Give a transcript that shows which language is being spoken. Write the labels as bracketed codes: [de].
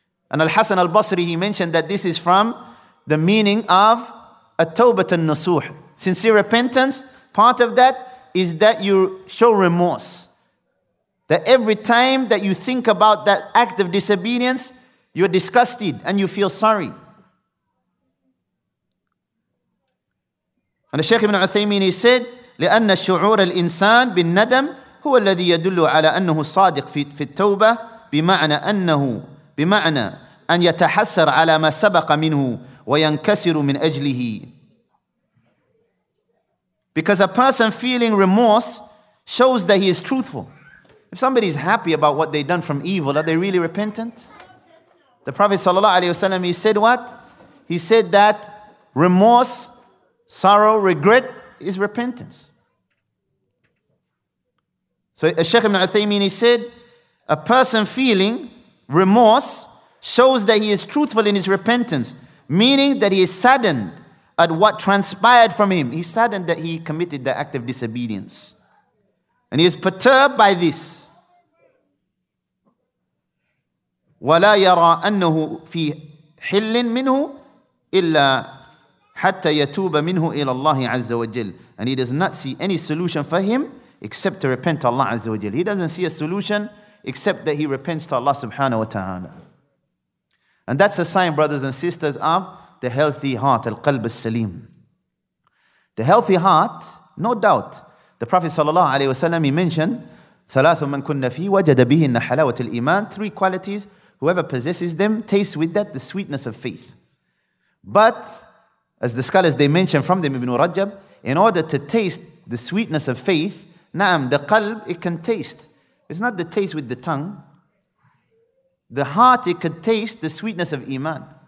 [en] And Al-Hasan Al-Basri, he mentioned that this is from the meaning of at-tawbah an-nasuh. Sincere repentance, part of that is that you show remorse. That every time that you think about that act of disobedience, you're disgusted and you feel sorry. And the Shaykh Ibn Uthaymeen, he said, [ar] لأن شعور الإنسان بالندم هو الذي يدل على أنه صادق في التوبة بمعنى أنه بمعنى أن يتحسر على ما سبق منه وينكسر من أجله. [en] Because a person feeling remorse shows that he is truthful. If somebody is happy about what they've done from evil, are they really repentant? The Prophet sallallahu alaihi wasallam, he said what? He said that remorse, sorrow, regret is repentance. So Shaykh Ibn Uthaymeen, he said, a person feeling remorse shows that he is truthful in his repentance, meaning that he is saddened at what transpired from him. He's saddened that he committed the act of disobedience. And he is perturbed by this. [ar] وَلَا يَرَى أَنَّهُ فِي حِلٍّ مِنْهُ إِلَّا حتى يتوب منه إلى الله عز وجل. [en] And he does not see any solution for him except to repent to Allah عز وجل. He doesn't see a solution except that he repents to Allah subhanahu wa ta'ala. And that's a sign, brothers and sisters, of the healthy heart, al-qalb al-salim. The healthy heart, no doubt. The Prophet sallallahu alayhi wasallam, he mentioned, [ar] ثَلَاثُ مَنْ كُنَّ فِي وَجَدَ بِهِنَّ حَلَوَةِ الْإِيمَانِ. [en] Three qualities, whoever possesses them, tastes with that the sweetness of faith. But, as the scholars, they mention from them, Ibn Rajab, in order to taste the sweetness of faith, na'am, the qalb, it can taste. It's not the taste with the tongue. The heart, it could taste the sweetness of iman.